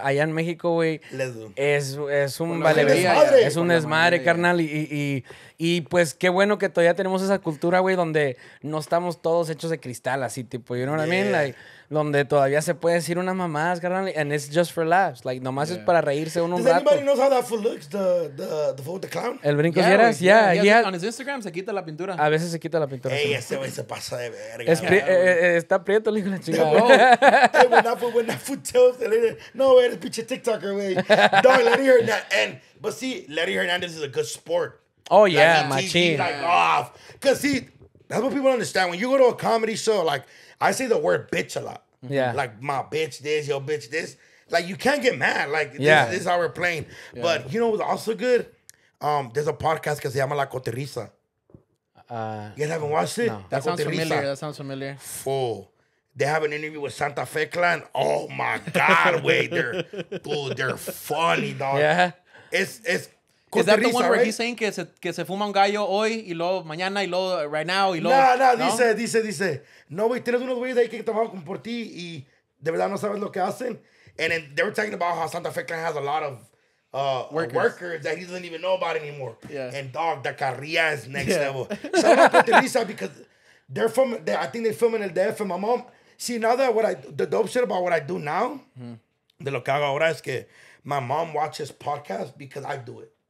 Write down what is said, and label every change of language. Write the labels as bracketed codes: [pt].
[es] Allá en México, güey, es un valería. Es un desmadre, carnal. Y pues qué bueno que todavía tenemos esa cultura, güey, donde no estamos todos hechos de cristal, así tipo, [en] you know what I mean? [es] Like, donde todavía se puede decir unas mamadas, carnal, [en] and it's just for laughs. [es] Like, nomás es para reírse uno un rato. [en] Does anybody know how that fool looks, the fool with the clown? El brinco, yeah, si yeah, yeah, yeah. On his Instagram, [es] se quita la pintura. A veces se quita la pintura. Ey, ese güey se pasa de verga. Está prieto, le digo la chica. [en] Hey, when that fool tells the lady, no, wey, it's pinche TikToker, wey. Dog, Larry Hernandez. But see, Larry Hernandez is a good sport. Oh, yeah, like, machine. He's like, off. Because see, that's what people understand. When you go to a comedy show, like, I say the word bitch a lot. Yeah. Like, my bitch this, your bitch this. Like, you can't get mad. Like, this is how we're playing. Yeah. But you know what's also good? There's a podcast [es] que se llama [en] La Coterriza. You guys haven't watched it? No. That sounds familiar. That sounds familiar. Full. They have an interview with Santa Fe Clan. Oh, my God. Wait, they're funny, dog. Yeah. It's Is that the one where he's saying [es] que se fuma un gallo hoy y luego mañana y luego [en] right now [es] y luego... No, dice. No, güey, tienes unos güeyes ahí que trabajan por ti y de verdad no sabes lo que hacen. [en] And then they were talking about how Santa Fe Clan has a lot of workers that he doesn't even know about anymore. Yeah. And dog, the carrilla is next level. So I'm not Teresa because they're from... I think they're filming El DF and my mom... See, now that the dope shit about what I do now, [es] de lo que hago ahora es que [en] my mom watches podcasts because I do it.